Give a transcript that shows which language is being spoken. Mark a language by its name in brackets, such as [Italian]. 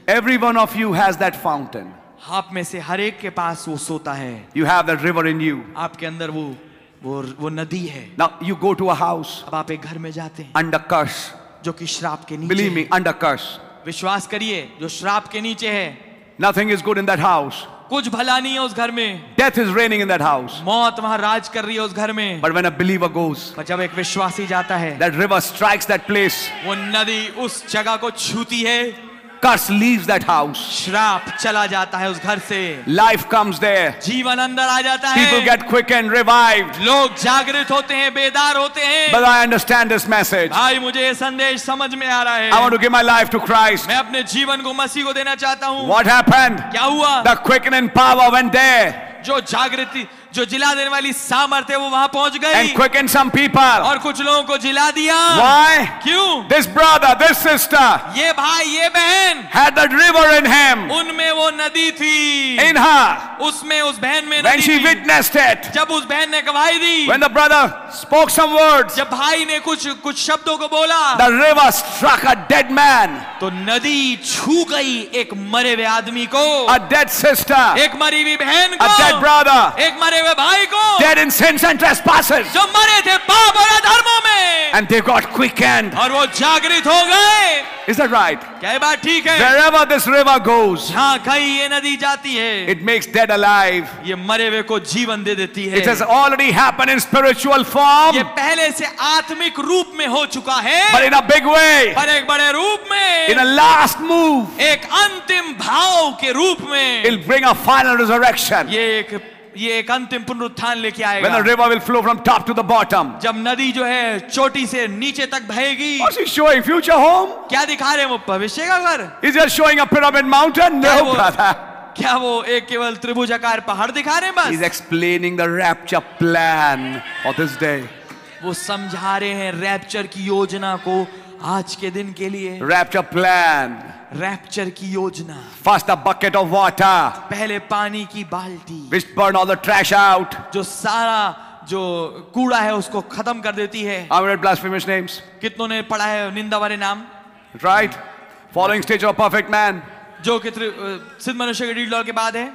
[English] every one of you has that fountain, [Hindi] आप में से हर एक के पास वो सोता है. [English] You have that river in you, [Hindi] आपके अंदर वो नदी है. [English] Now you go to a house, [Hindi] अब आप एक घर में जाते हैं, [English] under curse, [Hindi] जो कि श्राप के नीचे, [English] believe me, under curse, [Hindi] विश्वास करिए जो श्राप के नीचे है, [English] nothing is good in that house, [Hindi] कुछ भला नहीं है उस घर में. [English] Death is reigning in that house, [Hindi] मौत वहां राज कर रही है उस घर में. [English] But when a believer goes, [Hindi] पर जब एक विश्वासी जाता है, [English] that river strikes that place, [Hindi] वो नदी उस जगह को छूती है. [English] Curse leaves that house, [Hindi] श्राप चला जाता है उस घर से. [English] Life comes there, [Hindi] जीवन अंदर आ जाता है. [English] People get quickened, revived, [Hindi] लोग जागृत होते हैं, बेदार होते हैं. [English] But I understand this message, [Hindi] भाई मुझे ये संदेश समझ में आ रहा है. [English] I want to give my life to Christ, [Hindi] मैं अपने जीवन को मसीह को देना चाहता हूँ. [English] What happened, [Hindi] क्या हुआ? [English] The quickening power went there, [Hindi] जो जागृति, जो जिला देने वाली सामर्थ्य, वो वहां पहुंच गई. [English] And quicken some people, [Hindi] और कुछ लोगों को जिला दिया. [English] Why? [Hindi] क्यों? [English] This brother, this sister, [Hindi] ये भाई, ये बहन, [English] had the river in him, [Hindi] उनमें वो नदी थी. [English] In her, [Hindi] उसमें, उस बहन में, [English] when she witnessed it, [Hindi] जब उस बहन ने गवाही दी. [English] When the brother spoke some words, [Hindi] जब भाई ने कुछ शब्दों को बोला. [English] The river struck a dead man, [Hindi] तो नदी छू गई एक मरे हुए आदमी को. [English] A dead sister, [Hindi] एक मरी हुई बहन को. [English] A dead brother, [Hindi] एक मरे भाई को. [English] Dead in sins and trespasses, [Hindi] जो मरे थे पाप और अधर्मों में. [English] And they got quickened, [Hindi] और वो जागृत हो गए. [English] Is that right? [Hindi] क्या बात ठीक है? [English] Wherever this river goes, [Hindi] हाँ कहीं ये नदी जाती है. [English] It makes dead alive, [Hindi] ये मरे हुए को जीवन दे देती है. [English] It has already happened in spiritual form, [Hindi] ये पहले से आत्मिक रूप में हो चुका है. [English] But in a big way, [Hindi] पर एक बड़े रूप में. [English] In a last move, [Hindi] एक अंतिम भाव के रूप में. [English] It'll bring a final resurrection, [Hindi] ये एक अंतिम पुनरुत्थान लेके आएगा. [English] When the river will flow from top to the bottom, [Hindi] जब नदी जो है चोटी से नीचे तक बहेगी. [English] What's he showing? Future home? [Hindi] क्या दिखा रहे हैं वो? भविष्य का घर? [English] Is he showing a pyramid mountain? No, brother. [Hindi] क्या वो एक केवल त्रिभुजाकार पहाड़ दिखा रहे हैं बस? [English] He's explaining the rapture plan for this day. [Hindi] वो समझा रहे हैं रैप्चर की योजना को आज के दिन के लिए. [English] Rapture plan, [Hindi] रैप्चर की योजना. [English] First the bucket of water, [Hindi] पहले पानी की बाल्टी. [English] Which burn all the trash out, [Hindi] जो सारा जो कूड़ा है उसको खत्म कर देती है. [English] I've read blasphemous names, [Hindi] कितनों ने पढ़ा है निंदा वाले नाम. [English] Right, following stage of a perfect man, [Hindi] जो कि सिद्ध मनुष्य के डीड लॉ के बाद है.